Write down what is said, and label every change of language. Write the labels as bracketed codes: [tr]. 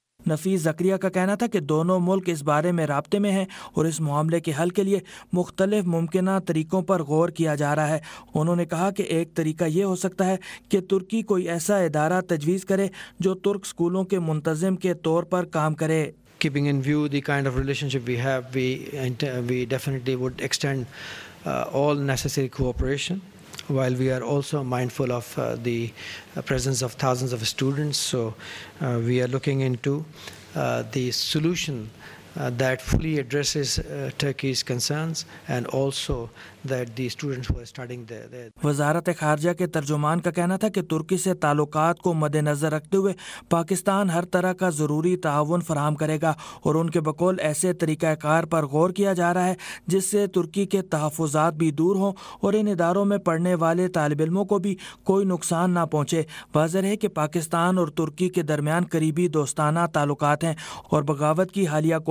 [ur] نفیس زکریا کا کہنا تھا کہ دونوں ملک اس بارے میں رابطے میں ہیں اور اس معاملے کے حل کے لیے مختلف ممکنہ طریقوں پر غور کیا جا رہا ہے۔ انہوں نے کہا کہ ایک طریقہ یہ ہو سکتا ہے کہ ترکی کوئی ایسا ادارہ تجویز کرے جو ترک سکولوں کے منتظم کے طور پر کام کرے۔ [en] Keeping in view the kind of relationship we have, we definitely would extend all necessary cooperation while we are also mindful of the presence of thousands of students. So we are looking into the solution that fully addresses Turkey's concerns and also that the students who are studying there. [ur] وزارت خارجہ کے ترجمان کا کہنا تھا کہ ترکی سے تعلقات کو مد نظر رکھتے ہوئے پاکستان ہر طرح کا ضروری تعاون فراہم کرے گا، اور ان کے بقول ایسے طریقہ کار پر غور کیا جا رہا ہے جس سے ترکی کے تحفظات بھی دور ہوں اور ان اداروں میں پڑھنے والے طالب علموں کو بھی کوئی نقصان نہ پہنچے۔ واضح ہے کہ پاکستان اور ترکی کے درمیان قریبی دوستانہ تعلقات ہیں اور بغاوت کی حالیہ